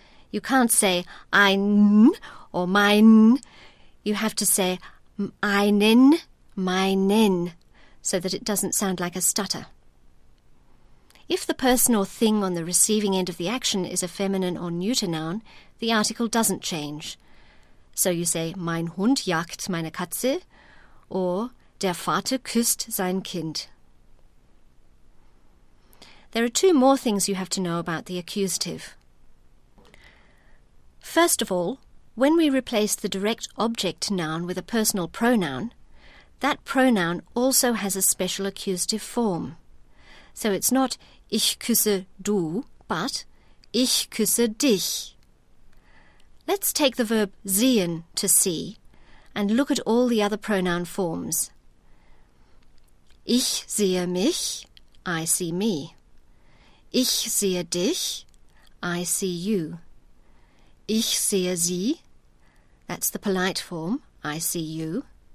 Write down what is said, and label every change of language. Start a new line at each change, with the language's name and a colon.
English: You can't say ein or mein. You have to say einen, meinen, so that it doesn't sound like a stutter. If the person or thing on the receiving end of the action is a feminine or neuter noun, the article doesn't change. So you say,
German: mein Hund jagt meine Katze,
English: or
German: der Vater küsst sein Kind.
English: There are two more things you have to know about the accusative. First of all, when we replace the direct object noun with a personal pronoun, that pronoun also has a special accusative form. So it's not
German: ich küsse du,
English: but
German: ich küsse dich.
English: Let's take the verb sehen to see and look at all the other pronoun forms.
German: Ich sehe mich,
English: I see me.
German: Ich sehe dich,
English: I see you.
German: Ich sehe sie,
English: that's the polite form, I see you.